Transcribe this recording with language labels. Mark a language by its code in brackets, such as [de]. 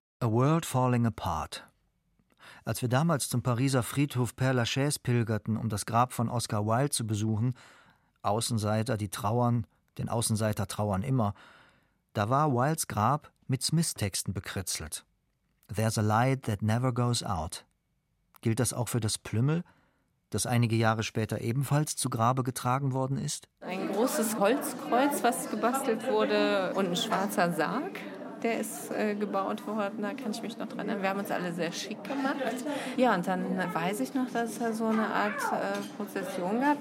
[en] A world falling apart. [de] Als wir damals zum Pariser Friedhof Père Lachaise pilgerten, um das Grab von Oscar Wilde zu besuchen, Außenseiter, die trauern, denn Außenseiter trauern immer, da war Wildes Grab mit Smiths-Texten bekritzelt. [en] There's a light that never goes out. [de] Gilt das auch für das Plümmel, das einige Jahre später ebenfalls zu Grabe getragen worden ist? Ein großes Holzkreuz, was gebastelt wurde, und ein schwarzer Sarg, der ist gebaut worden. Da kann ich mich noch dran erinnern. Wir haben uns alle sehr schick gemacht. Ja, und dann weiß ich noch, dass es so eine Art Prozession gab.